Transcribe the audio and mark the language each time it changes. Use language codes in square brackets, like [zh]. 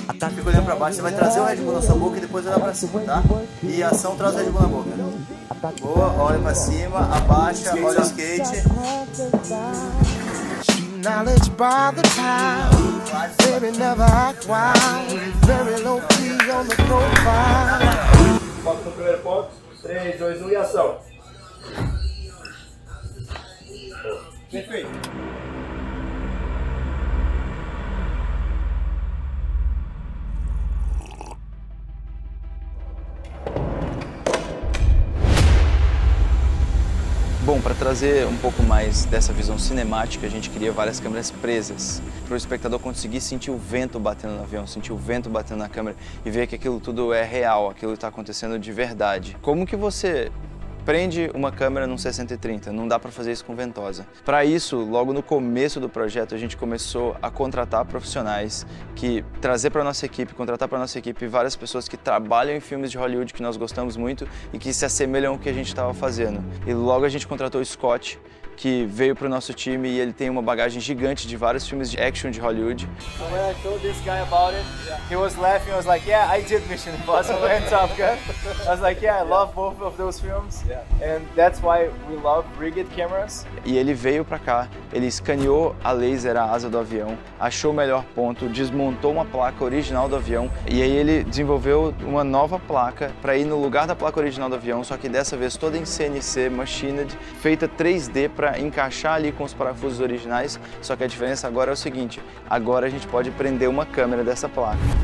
[pt] Fica olhando pra baixo, você vai trazer o Red Bull na sua boca e depois olhar pra cima, tá? E ação, traz o Red Bull na boca. Boa, olha pra cima, abaixa, skate, olha o skate. [en] Knowledge by the time, baby never act wild, very low key on the profile. [pt] Foco no primeiro ponto, 3, 2, 1 e ação. Perfeito. Bom, para trazer um pouco mais dessa visão cinemática, a gente queria várias câmeras presas, para o espectador conseguir sentir o vento batendo no avião, sentir o vento batendo na câmera e ver que aquilo tudo é real, aquilo está acontecendo de verdade. Como que você prende uma câmera num 60-30? Não dá para fazer isso com ventosa. Para isso, logo no começo do projeto, a gente começou a contratar profissionais, que trazer para nossa equipe, contratar para nossa equipe várias pessoas que trabalham em filmes de Hollywood que nós gostamos muito e que se assemelham ao que a gente estava fazendo. E logo a gente contratou o Scott, que veio pro nosso time e ele tem uma bagagem gigante de vários filmes de action de Hollywood. [en] So when I told this guy about it, yeah. He was laughing. I was like, yeah, I did Mission Impossible and Top Gun. I was like, yeah, I love both of those films. Yeah. And that's why we love rigged cameras. [pt] E ele veio pra cá, ele escaneou a laser, a asa do avião, achou o melhor ponto, desmontou uma placa original do avião e aí ele desenvolveu uma nova placa pra ir no lugar da placa original do avião, só que dessa vez toda em CNC, machined, feita 3D para encaixar ali com os parafusos originais, só que a diferença agora é o seguinte, agora a gente pode prender uma câmera dessa placa.